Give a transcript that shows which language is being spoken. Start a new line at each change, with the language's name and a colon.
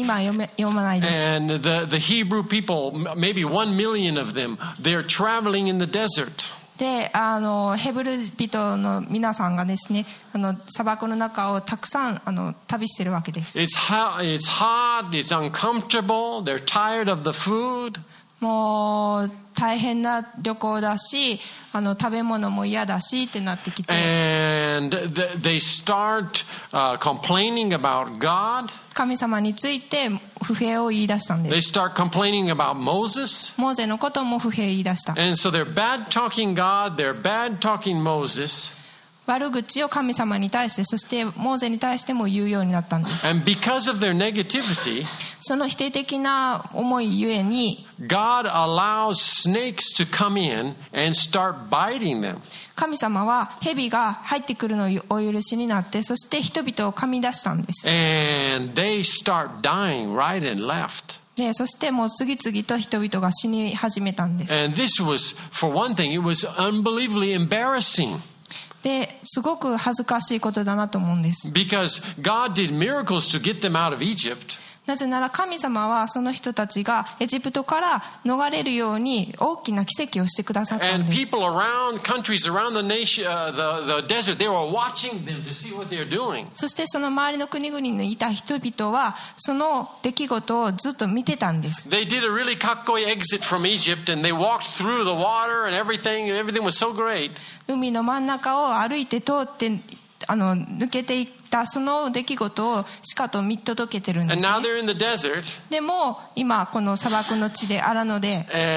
Japanese: 今読まないです。
English: And the Hebrew people, maybe 1 million of them, they're traveling in the desert.
Japanese: でヘブル人の皆さんがですね砂漠の中をたくさん旅しているわけです
English: It's hot, it's uncomfortable, they're tired of the food
Japanese: もう大変な旅行だし食べ物も嫌だしってなってきて
English: And they start complaining about God
Japanese: 神様について不平を言い出したんです
English: They start complaining about Moses
Japanese: モーゼのことも不平言い出した
English: And so they're bad talking God, they're bad talking Moses
Japanese: 悪口を神様に対してそしてモーゼに対しても言うようになったんです
English: And because of their negativity,
Japanese: その否定的な思いゆえに
English: God allows snakes to come in and start biting them.
Japanese: 神様は蛇が入ってくるのをお許しになってそして人々を噛み出したんです
English: And they start dying right and left.
Japanese: でそしてもう次々と人々が死に始めたんです
English: And this was, for one thing, it was unbelievably embarrassing.
Japanese: ですごく恥ずかしいことだなと思うんです。
English: Because God did miracles to get them out of Egypt.
Japanese: なぜなら神様はその人たちがエジプトから逃れるように大きな奇跡をしてくださったんです。
English: And people around countries around the nation, the desert, they were watching them to see what they're doing.
Japanese: そしてその周りの国々にいた人々はその出来事をずっと見てたんです。
English: They did a really
Japanese: かっこいい
English: exit from Egypt and they walked through the water and everything. Everything was so great.
Japanese: 海の真ん中を歩いて通って抜けていったその出来事をしかと見届けてるんですね。
English: で, desert,
Japanese: でも今この砂漠の地であるので